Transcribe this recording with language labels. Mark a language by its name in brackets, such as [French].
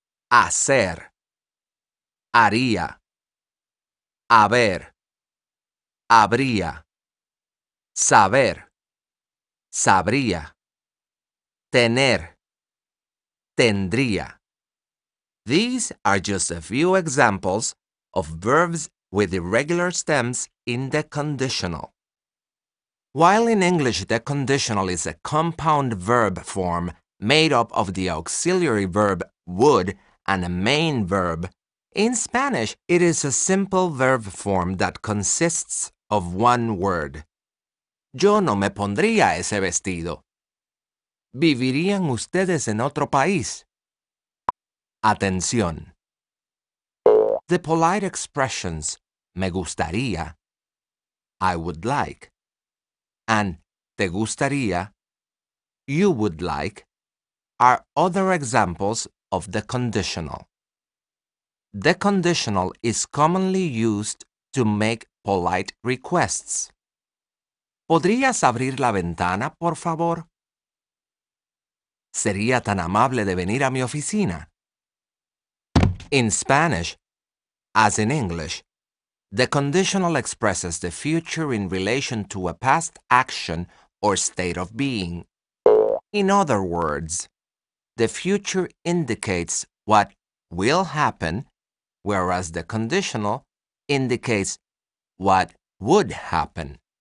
[Spanish] Hacer, haría, haber, habría, saber, sabría, tener, tendría. [English] These are just a few examples of verbs with irregular stems in the conditional. While in English the conditional is a compound verb form made up of the auxiliary verb would and a main verb, in Spanish it is a simple verb form that consists of one word. [Spanish] Yo no me pondría ese vestido. ¿Vivirían ustedes en otro país? Atención. [English] The polite expressions [Spanish] me gustaría, [English] I would like, and [Spanish] te gustaría, [English] you would like, are other examples of the conditional. The conditional is commonly used to make polite requests. [Spanish] ¿Podrías abrir la ventana, por favor? ¿Sería tan amable de venir a mi oficina? [English] In Spanish, as in English, the conditional expresses the future in relation to a past action or state of being. In other words, the future indicates what will happen, whereas the conditional indicates what would happen.